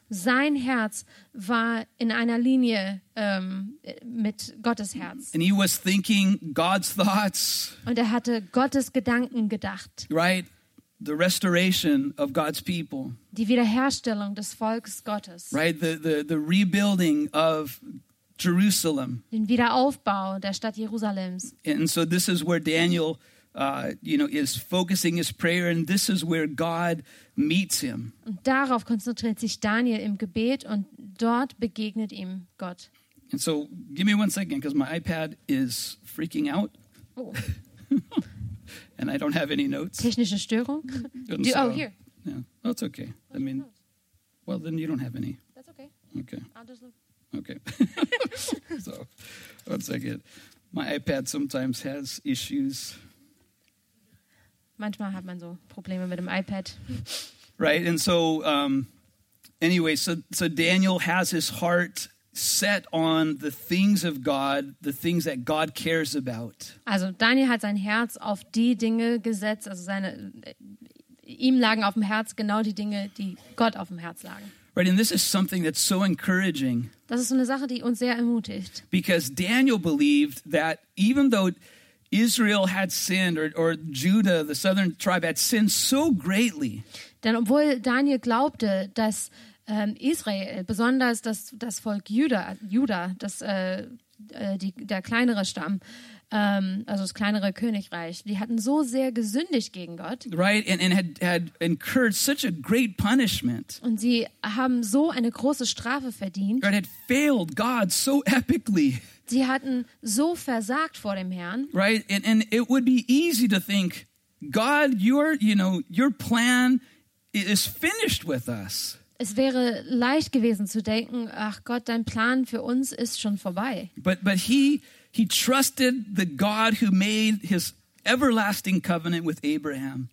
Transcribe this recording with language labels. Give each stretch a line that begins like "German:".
German: Sein Herz war in einer Linie mit Gottes Herz.
English: And he was thinking God's thoughts.
German: Und hatte Gottes Gedanken gedacht.
English: Right, the restoration of God's people.
German: Die Wiederherstellung des Volkes Gottes.
English: Right, the rebuilding of Jerusalem.
German: Den Wiederaufbau der Stadt Jerusalems.
English: And so this is where Daniel is focusing his prayer, and this is where God meets him.
German: Und darauf konzentriert sich Daniel im Gebet, und dort begegnet ihm Gott.
English: And so give me one second, because my iPad is freaking out. Oh. And I don't have any notes.
German: Technische Störung.
English: So, oh, here. Yeah. That's okay. What I mean, well, then you don't have any. That's okay. Okay. Okay. So, one second. My iPad sometimes has issues.
German: Manchmal hat man so Probleme mit dem iPad.
English: Right, and so, so Daniel has his heart set on the things of God, the things that God cares about.
German: Also, Daniel hat sein Herz auf die Dinge gesetzt, also ihm lagen auf dem Herz genau die Dinge, die Gott auf dem Herz lagen.
English: Right, and this is something that's so encouraging.
German: Das ist eine Sache, die uns sehr ermutigt.
English: Because Daniel believed that even though Israel had sinned, or Judah, the southern tribe, had sinned so greatly.
German: Denn obwohl Daniel glaubte, dass Israel, besonders das Volk Juda, das der kleinere Stamm, also das kleinere Königreich, die hatten so sehr gesündigt gegen Gott.
English: Right, and had incurred such a great punishment.
German: Und sie haben so eine große Strafe verdient.
English: Right, had failed God so epically.
German: Sie hatten so versagt vor dem Herrn.
English: Right, and it would be easy to think, God, your plan is finished with us.
German: Es wäre leicht gewesen zu denken, ach Gott, dein Plan für uns ist schon vorbei.
English: But he trusted the God who made his everlasting covenant with Abraham.